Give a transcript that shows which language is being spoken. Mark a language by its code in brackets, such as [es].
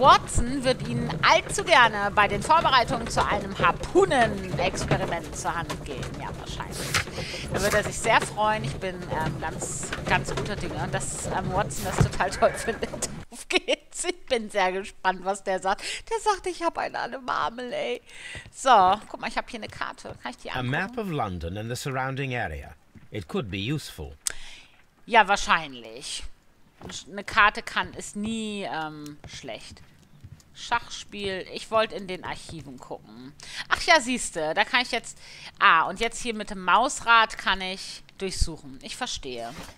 [de] Watson wird Ihnen allzu gerne bei den Vorbereitungen zu einem Harpunen-Experiment zur Hand gehen. Ja, wahrscheinlich. Da wird er sich sehr freuen. Ich bin ganz, ganz guter Dinge. Und dass Watson das total toll findet. Auf geht's. Ich bin sehr gespannt, was der sagt. Der sagt, ich habe eine Marmel, ey. So, guck mal, ich habe hier eine Karte. Kann ich die angucken? [en] A map of London and the surrounding area. It could be useful. [de] Ja, wahrscheinlich. Eine Karte kann ist nie schlecht. Schachspiel. Ich wollte in den Archiven gucken. Ach ja, siehste, da kann ich jetzt... Ah, und jetzt hier mit dem Mausrad kann ich durchsuchen. Ich verstehe.